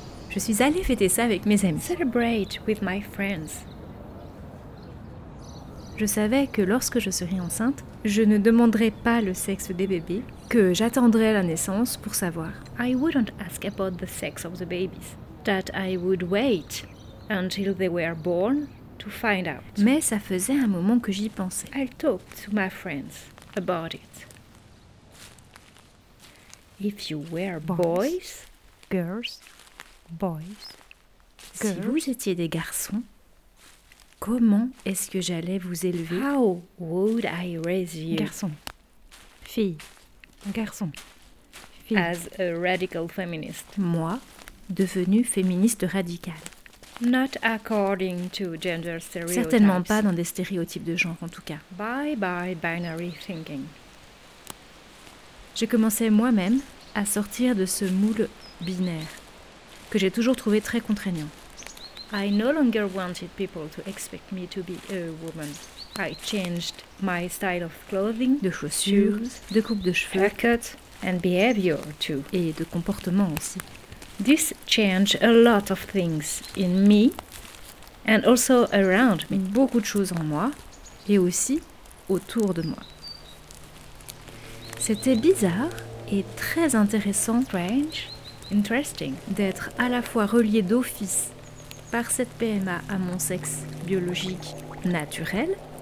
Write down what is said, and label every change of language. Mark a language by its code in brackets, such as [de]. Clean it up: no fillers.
[fr] Je suis allée fêter ça avec mes amis. [en] Celebrate with my friends. [fr] Je savais que lorsque je serai enceinte, je ne demanderai pas le sexe des bébés, que j'attendrai la naissance pour savoir. [en] I wouldn't ask about the sex of the babies. That I would wait until they were born to find out. [fr] Mais ça faisait un moment que j'y pensais. [en] I talked to my friends about it. If you were boys, girls. Boys, girls. [fr] Si vous étiez des garçons, comment est-ce que j'allais vous élever? [en] How would I raise you? [fr] Garçon, fille, garçon, [en] fille. As a radical feminist. [fr] Moi, devenue féministe radicale. [en] Not according to gender stereotypes. [fr] Certainement pas dans des stéréotypes de genre, en tout cas. [en] Bye bye binary thinking. [fr] Je commençais moi-même à sortir de ce moule binaire. Que j'ai toujours trouvé très contraignant. [en] I no longer wanted people to expect me to be a woman. I changed my style of clothing, [fr] de chaussures, shoes, de coupe de cheveux, [en] haircut, and behavior too. [fr] Et de comportement aussi. [en] This changed a lot of things in me and also around me. [fr] Beaucoup de choses en moi et aussi autour de moi. C'était bizarre et très intéressant. [en] Strange. Interesting. [fr] D'être à la fois reliée d'office par cette PMA à mon sexe biologique naturel